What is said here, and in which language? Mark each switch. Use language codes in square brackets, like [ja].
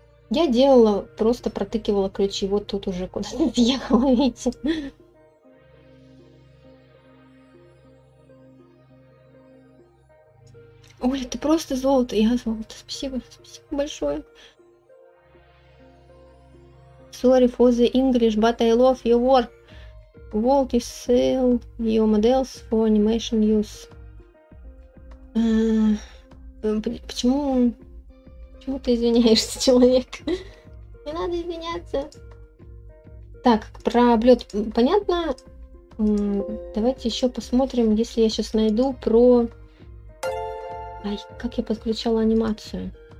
[ru] Я делала, просто протыкивала ключи. Вот тут уже куда-то въехала, видите? Оля, ты просто золото, я золото. Спасибо, спасибо большое. [en] Sorry for the English, but I love your work. World is sell your models for animation use. [ru] Почему? Почему ты извиняешься, человек? Не надо извиняться. Так, про облет понятно. Давайте еще посмотрим, если я сейчас найду про. Ай, как я подключала анимацию?